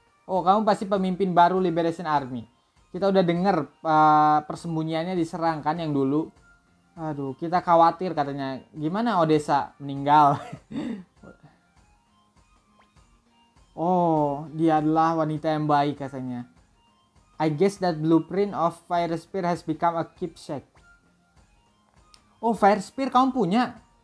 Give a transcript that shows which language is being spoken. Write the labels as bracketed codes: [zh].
[id] Oh, kamu pasti pemimpin baru Liberation Army. Kita udah dengar persembunyiannya diserang kan yang dulu. Aduh, kita khawatir katanya. Gimana Odessa meninggal? Oh, dia adalah wanita yang baik katanya. [en] I guess that blueprint of Fire Spear has become a keepsake. [id] Oh, Fire Spear kamu punya?